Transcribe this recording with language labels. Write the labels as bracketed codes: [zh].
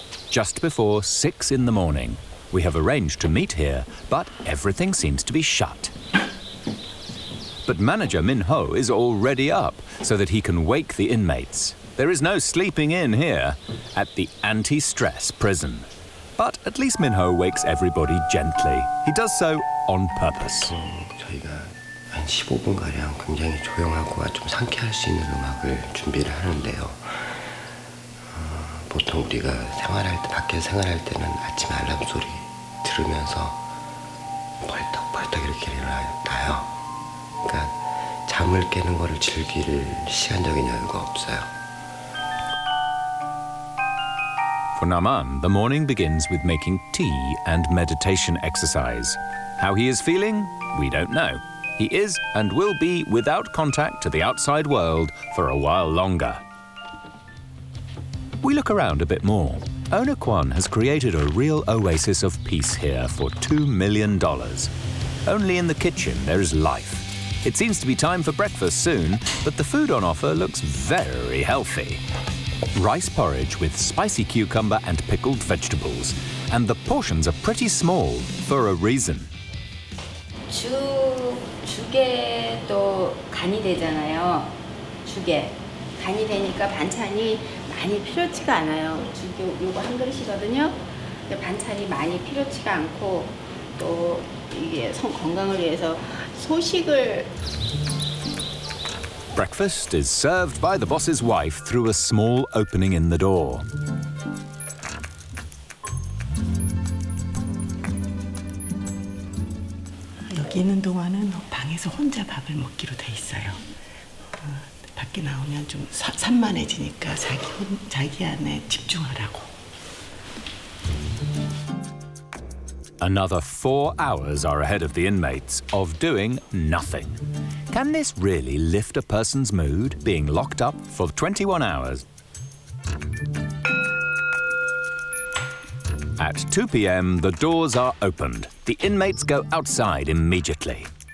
[en] Just before 6 in the morning, we have arranged to meet here, but everything seems to be shut. But manager Min Ho is already up so that he can wake the inmates. There is no sleeping in here at the anti-stress prison. But at least Min Ho wakes everybody gently. He does so on purpose. [ko] 저희가 한 15분 가량 굉장히 조용하고 좀 상쾌할 수 있는 음악을 준비를 하는데요. 보통 우리가 생활할 때 밖에 생활할 때는 아침 알람 소리 들으면서 벌떡벌떡 이렇게 일어나요. 그러니까 잠을 깨는 거를 즐길 시간적인 여유가 없어요. [en] For Naman, the morning begins with making tea and meditation exercise. How he is feeling, we don't know. He is and will be without contact to the outside world for a while longer. We look around a bit more. Owner Kwan has created a real oasis of peace here for $2 million. Only in the kitchen there is life. It seems to be time for breakfast soon, but the food on offer looks very healthy. Rice porridge with spicy cucumber and pickled vegetables. And the portions are pretty small for a reason. [ko] 주게도 간이 되잖아요. 주게. 간이 되니까 반찬이 많이 필요치가 않아요. 주게 요거 한 그릇이거든요. 근데 반찬이 많이 필요치가 않고 또 이게 성 건강을 위해서 소식을 [en] Breakfast is served by the boss's wife through a small opening in the door. Here, [ko] 있는 동안은 방에서 혼자 밥을 먹기로 돼 있어요. 밖에 나오면 좀 산만해지니까 자기 안에 집중하라고. [en] Another 4 hours are ahead of the inmates of doing nothing. Can this really lift a person's mood, being locked up for 21 hours? At 2 p.m., the doors are opened. The inmates go outside immediately.